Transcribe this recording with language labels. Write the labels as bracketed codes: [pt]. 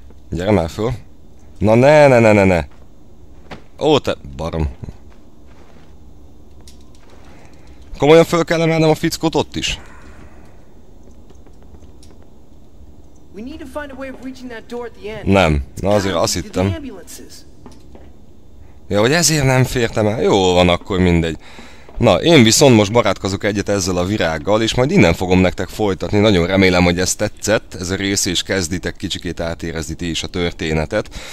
[hu] Gyere már föl. Na ne. Ó, te barom. Komolyan föl kell emelnem a fickót ott is? [en] We need to find a way of reaching that door at the end. [hu] Nem, na azért azt hittem. Ja, hogy ezért nem fértem el. Jó van, akkor mindegy. Na, én viszont most barátkozok egyet ezzel a virággal, és majd innen fogom nektek folytatni. Nagyon remélem, hogy ez tetszett, ez a rész, és kezditek kicsikét átérezni ti is a történetet.